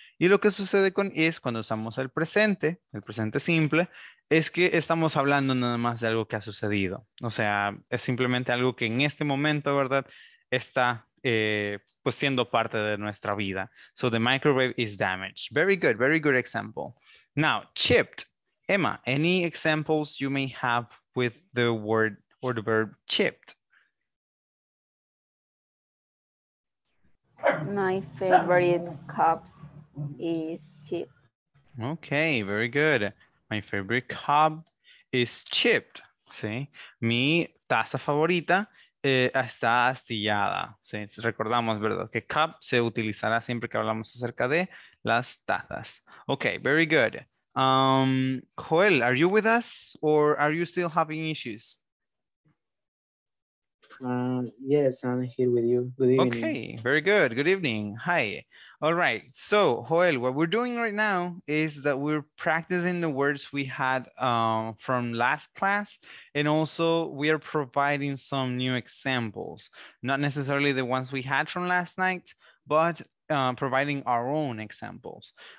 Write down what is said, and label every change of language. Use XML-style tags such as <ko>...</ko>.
<es>Y lo que sucede con is cuando usamos el presente simple, es que estamos hablando nada más de algo que ha sucedido. O sea, es simplemente algo que en este momento, ¿verdad?, está pues siendo parte de nuestra vida.</es> <en>So the microwave is damaged. Very good example. Now, chipped. Emma, any examples you may have with the word or the verb chipped? My favorite cups is chipped. Okay, very good. My favorite cup is chipped. ¿Sí?</en> <es>Mi taza favorita está astillada. ¿Sí? Recordamos, ¿verdad? Que cup se utilizará siempre que hablamos acerca de las tazas.</es> <en>Okay, very good. Joel, are you with us or are you still having issues? Yes, I'm here with you. Good evening. Okay, very good. Good evening. Hi. All right. So, Joel, what we're doing right now is that we're practicing the words we had from last class, and also we are providing some new examples, not necessarily the ones we had from last night, but providing our own examples.</en>